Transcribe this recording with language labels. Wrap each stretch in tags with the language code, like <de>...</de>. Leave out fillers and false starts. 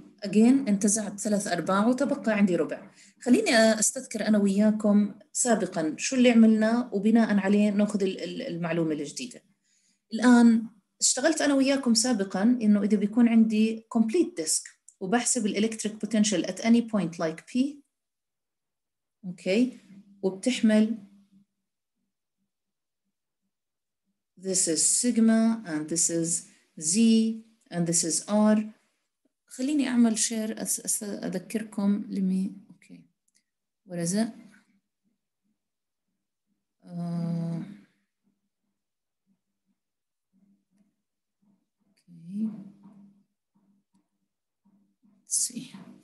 <ar>Again, انتزعت ثلاث أرباع وتبقى عندي ربع. خليني أستذكر أنا وياكم سابقاً شو اللي عملنا وبناءً عليه نأخذ المعلومة الجديدة. الآن اشتغلت أنا وياكم سابقاً إنه إذا بيكون عندي</ar> <en>complete disk</en> <ar>وبحسب الإلكتريك potential</ar> <en>at any point like P. Okay.</en> <ar>وبتحمل</ar> <en>this is sigma and this is Z and this is R.</en> <ar>خليني أعمل شير أذكركم لمي.</ar> <en>Okay. What is it? Okay.</en>